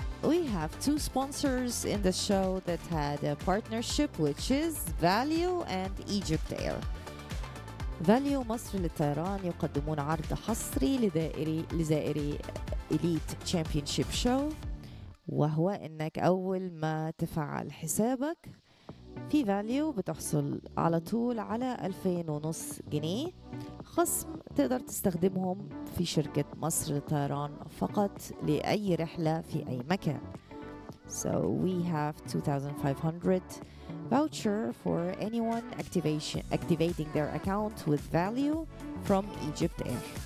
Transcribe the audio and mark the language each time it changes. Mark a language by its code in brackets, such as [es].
[en] We have two sponsors in the show that had a partnership, which is Valio and Egypt Air. [ar] Valio مصر للطيران يقدمون عرض حصري لزائري Elite Championship Show، وهو انك اول ما تفعل حسابك في Valio بتحصل على طول على 2500 جنيه خصم تقدر تستخدمهم في شركة مصر للطيران فقط لأي رحلة في أي مكان. [en] So we have 2,500 voucher for anyone activating their account with Valio from Egypt Air.